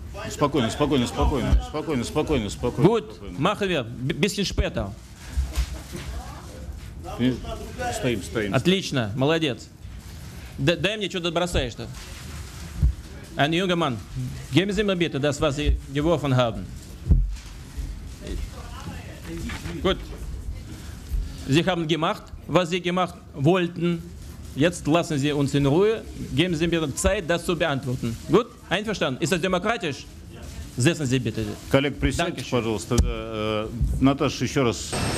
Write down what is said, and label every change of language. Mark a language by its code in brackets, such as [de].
[ru] Спокойно, спокойно, спокойно, спокойно, спокойно, спокойно. Будет махове, без хиншпета. Стоим, стоим. Отлично, молодец. Дай мне, что ты бросаешь-то. [de] Ein junger Mann. Geben Sie mir bitte das, was Sie geworfen haben. Gut. Sie haben gemacht, was Sie gemacht wollten. Jetzt lassen Sie uns in Ruhe. Geben Sie mir Zeit, das zu beantworten. Gut? Einverstanden? Ist das demokratisch? Setzen Sie bitte. [ru] Коллег, присядьте, пожалуйста. Наташа, еще раз.